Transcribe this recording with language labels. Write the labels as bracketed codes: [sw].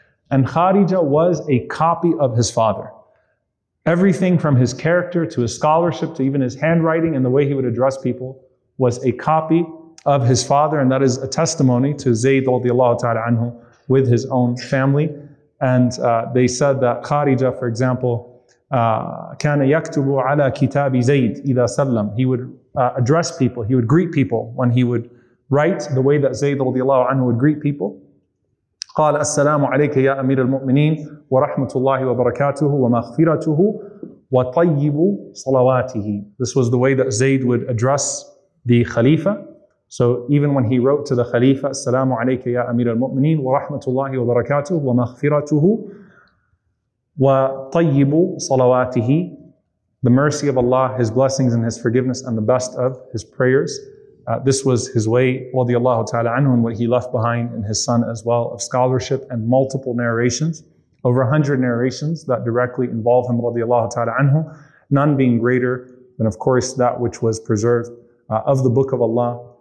[en] And Kharija was a copy of his father. Everything from his character to his scholarship to even his handwriting and the way he would address people was a copy of his father, and that is a testimony to Zayd radiallahu ta'ala anhu with his own family. And they said that Kharija, for example, [ar] كان يكتب على كتاب زيد إذا سلم. [en] He would address people, he would greet people when he would write the way that Zayd radiallahu anhu would greet people. [ar] قال السلام عليك يا أمير المؤمنين ورحمة الله وبركاته ومغفرته وطيب صلواته. [en] This was the way that Zayd would address the Khalifa. So even when he wrote to the Khalifa, [ar] السلام عليك يا أمير المؤمنين ورحمة الله وبركاته ومغفرته وطيب صلواته. [en] The mercy of Allah, His blessings and His forgiveness and the best of His prayers. This was his way, [ar] رضي الله تعالى عنه, [en] and what he left behind in his son as well, of scholarship and multiple narrations, over 100 narrations that directly involve him, رضي الله تعالى عنه, none being greater than, of course, that which was preserved of the Book of Allah,